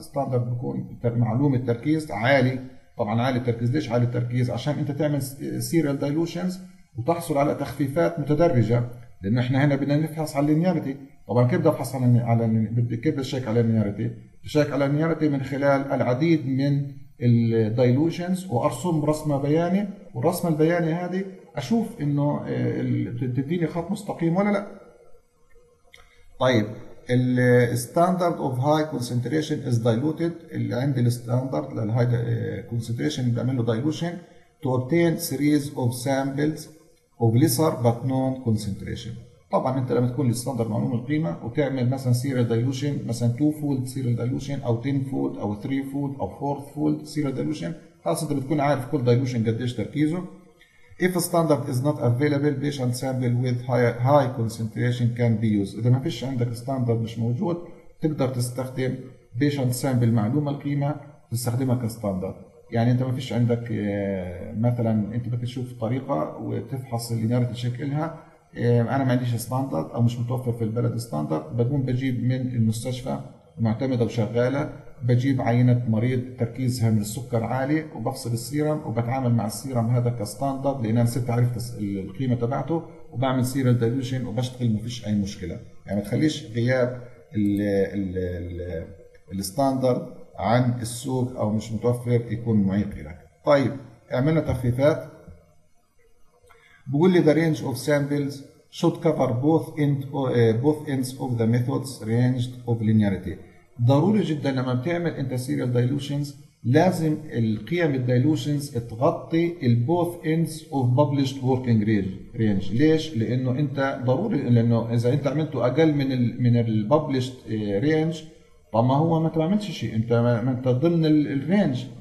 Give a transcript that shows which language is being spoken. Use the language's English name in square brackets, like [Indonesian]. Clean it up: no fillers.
[Arabic] ستاندرد بيكون معلوم التركيز عالي، طبعا عالي التركيز ليش عالي التركيز؟ عشان انت تعمل سيريال دايلوشنز وتحصل على تخفيفات متدرجه، لان احنا هنا بدنا نفحص على اللينيارتي. طبعا كيف بدي افحص على كيف بدي اشيك على اللينيارتي؟ اشيك على اللينيارتي من خلال العديد من الدايلوشنز وارسم رسمه بياني، والرسمه البياني هذه اشوف انه بتديني خط مستقيم ولا لا. طيب الـ [English] standard of high concentration is diluted، [Arabic] اللي عند الـ [English] standard للـ high concentration [Arabic] بعمله [English] dilution to obtain series of samples of lesser but known concentration. [Arabic] طبعا انت لما تكون الـ standard معلوم القيمة وتعمل مثلا serial dilution مثلا 2 fold serial dilution أو 10 fold أو 3 fold أو 4 fold serial dilution، خلاص انت بتكون عارف كل dilution قديش تركيزه. [English] If a standard is not available, patient sample with high concentration can be used. [Arabic] إذا ما فيش عندك standard مش موجود، تقدر تستخدم patient sample معلومة القيمة تستخدمها كstandard. يعني أنت ما فيش عندك مثلاً أنت بتشوف طريقة وتفحص اللينيرتي شكلها، أنا ما عنديش standard أو مش متوفر في البلد standard، بقوم بجيب من المستشفى معتمدة وشغالة، بجيب عينة مريض تركيزها من السكر عالي وبفصل السيرم وبتعامل مع السيرم هذا كستاندرد لان انا صرت عرفت القيمة تبعته، وبعمل سيريال دايلوشن وبشتغل مفيش اي مشكلة. يعني ما تخليش غياب الـ الـ الـ الـ الستاندرد عن السوق او مش متوفر يكون معيق لك. طيب عملنا تخفيفات، بقول لي [English] the range of samples should cover both ends of the methods ranged of linearity. [Arabic] ضروري جدا لما بتعمل انت سيريال دايلوشنز لازم القيم الدايلوشنز تغطي [English] البوث ends of published working range. [Arabic] ليش؟ لانه انت ضروري، لانه اذا انت عملته اقل من الببلشد رينج طب ما هو ما تعملش شيء، انت ضمن الرينج.